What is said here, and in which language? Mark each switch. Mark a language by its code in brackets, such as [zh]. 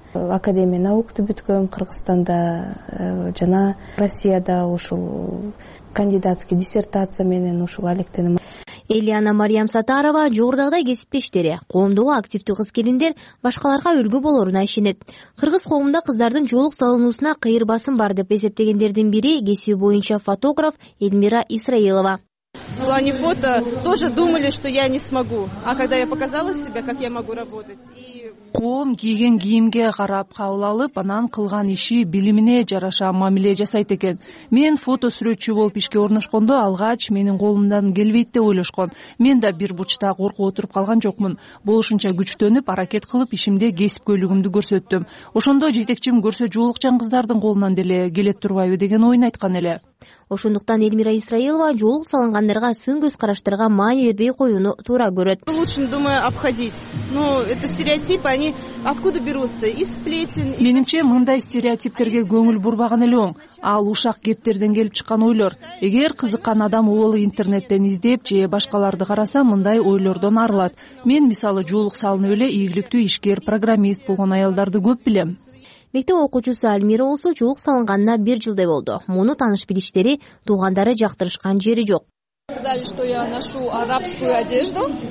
[ky] Академия наукту бүткөм Кыргызстанда жана Россияда ушул кандидатский диссертация менен ушул алектенем. Элиана Мариям Сатарова жогордагыдай кесиптештери, коомдогу активдүү кыз келиндер башкаларга үлгү болоруна ишенет. Кыргыз коомунда кыздардын жолук салынуусуна кыйыр басым бар деп эсептегендердин бири кесиби боюнча фотограф Эльмира Исраилова. [ru] В плане фото тоже думали, что я не смогу. А когда я показала себя, как я могу работать. [ky] Коом кийген кийимге карап кабыл алып, анан кылган иши билимине жараша мамиле жасайт экен. Мен фото сүрөтчү болуп ишке орношкондо алгач менин колумдан келбейт деп ойлошкон. Мен да бир бучта коркуп отуруп калган жокмун. Болушунча күчтөнүп, аракет кылып, ишимде кесипкөйлүгүмдү көрсөттүм. Ошондо жетекчим көрсө жоолукчан кыздардын колунан деле келет турбайбы деген оюн айткан эле. Ошондуктан Эльмира Исраилова жолук салынгандарга сын көз караштарга маани бербей коюуну туура көрөт. [ru] Лучше, думаю, обходить. Ну, это стереотипы, они откуда берутся? Из сплетен. [ky] Менимче, мындай стереотиптерге көңүл бурбаган эле оң. Ал ушак кептерден келип чыккан ойлор. Эгер кызыккан адам ол интернеттен издеп же башкаларды караса, мындай ойлордон арылат. Мен мисалы жолук салынып эле ийгиликтүү ишкер, программист болгон аялдарды көп билем. Мектеп окуучусу Альмира болсо жолук салынганына 1 жылдай болду. Муну тааныш билиштери, туугандары жактырышкан жери жок. [ru] Сказали, что я ношу арабскую одежду.